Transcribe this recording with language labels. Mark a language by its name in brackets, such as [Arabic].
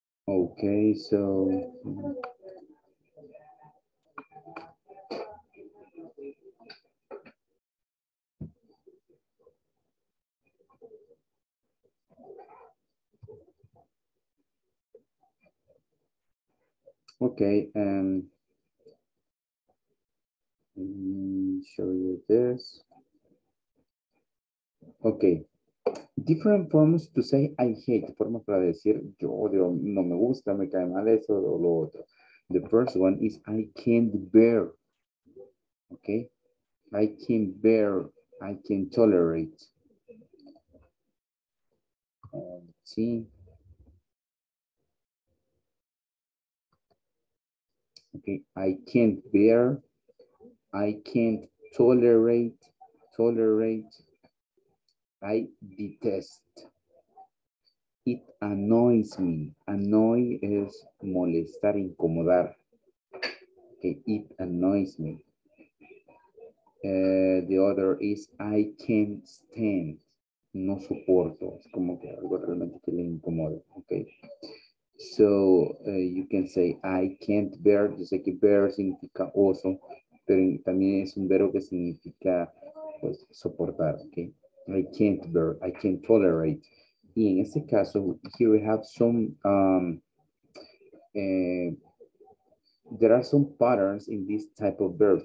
[English] Okay, so okay, let me show you this. Okay. Different forms to say I hate. [Spanish] Formas para decir yo odio, no me gusta, me cae mal eso o lo otro. [English] The first one is I can't bear. Okay. I can't bear. I can't tolerate. Let's see. Okay. I can't bear. I can't tolerate. Tolerate. I detest. It annoys me. Annoy is [Spanish] molestar, incomodar. [English] Okay, it annoys me. The other is I can't stand. [Spanish] No soporto. Es como que algo realmente que le incomoda. Okay. [English] So you can say I can't bear. [Spanish] Yo sé que bear significa oso, pero también es un verbo que significa pues soportar. [English] Okay. I can't bear, I can't tolerate. [Spanish] Y en este caso, [English] here we have some, there are some patterns in this type of verbs.